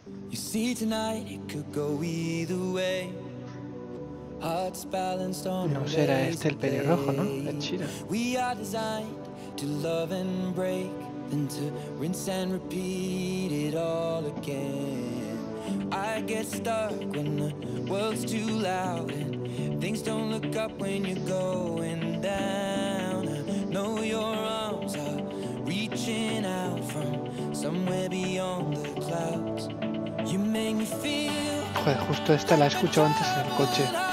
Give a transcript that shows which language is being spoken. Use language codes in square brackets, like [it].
[en] You see tonight it could go either way. Hearts balanced on the edge. [es] No será este el pelirrojo, ¿no? La chira. [en] We are designed to love and break and to rinse and repeat it all again. I get stuck when the world's too loud and things don't look up when you're going down. I know your arms are reaching out from somewhere beyond the clouds. You make me feel. [es] Joder, justo esta la escucho antes en el coche.